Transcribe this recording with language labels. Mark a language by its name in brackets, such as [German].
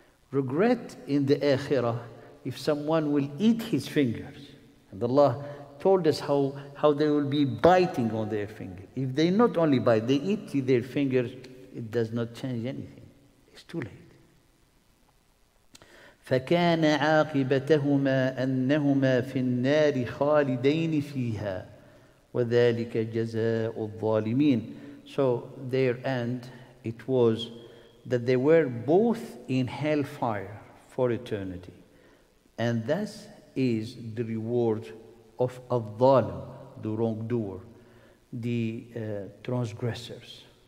[English] Regret in the akhirah, if someone will eat his fingers, and Allah told us how they will be biting on their finger. If they not only bite, they eat their fingers, it does not change anything. It's too late. [Arabic] فكان عاقبتهما أنهما في النار خالدين فيها وذلك جزاء الظالمين. [English] So their end, it was that they were both in hellfire for eternity. And this is the reward of الظالم, the wrongdoer, the transgressors.